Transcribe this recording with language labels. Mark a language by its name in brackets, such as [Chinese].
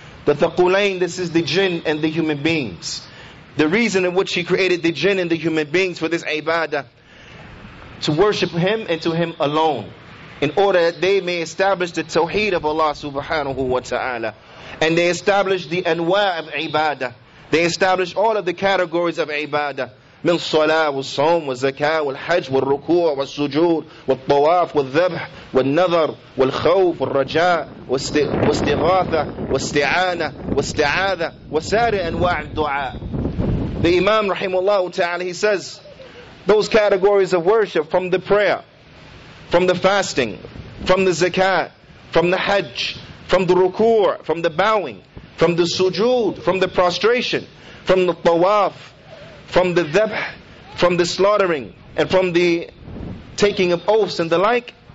[English] The thaqulain, this is the jinn and the human beings. The reason in which he created the jinn and the human beings for this ibadah, to worship him and to him alone, in order that they may establish the tawheed of Allah subhanahu wa ta'ala. And they establish the anwa' of ibadah. They establish all of the categories of ibadah. [Arabic] من صلاة والصوم والزكاة والحج والركوع والسجود والطواف والذبح والنظر والخوف والرجاء واستغاثة واستعانة واستعاذة وسائر أنواع الدعاء. [English] The Imam [Arabic] رحمه الله تعالى, [English] he says, those categories of worship, from the prayer, from the fasting, from the zakat, from the hajj, from the ruku', from the bowing, from the sujood, from the prostration, from the tawaf, from the dhabh, from the slaughtering, and from the taking of oaths and the like,